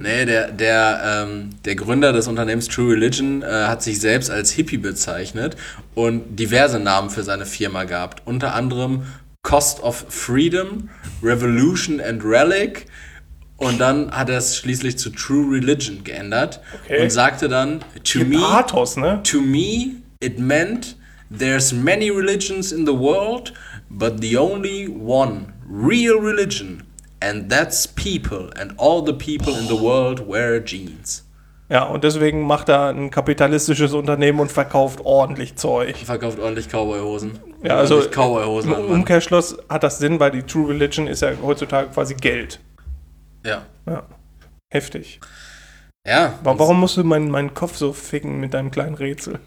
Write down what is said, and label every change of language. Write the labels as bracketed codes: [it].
[de] Nee, der Gründer des Unternehmens True Religion hat sich selbst als Hippie bezeichnet und diverse Namen für seine Firma gehabt. Unter anderem Cost of Freedom, Revolution and Relic. Und dann hat er es schließlich zu True Religion geändert, okay, und sagte dann, Pathos, ne? [en] To me, it meant, there's many religions in the world, but the only one real religion, and that's people, and all the people in the world wear jeans. [de] Ja, und deswegen macht er ein kapitalistisches Unternehmen und verkauft ordentlich Zeug. Verkauft ordentlich Cowboyhosen. Ja, also Cowboyhosen. Im Umkehrschluss hat das Sinn, weil die True Religion ist ja heutzutage quasi Geld. Ja. Ja. Heftig. Ja. Warum musst du meinen Kopf so ficken mit deinem kleinen Rätsel?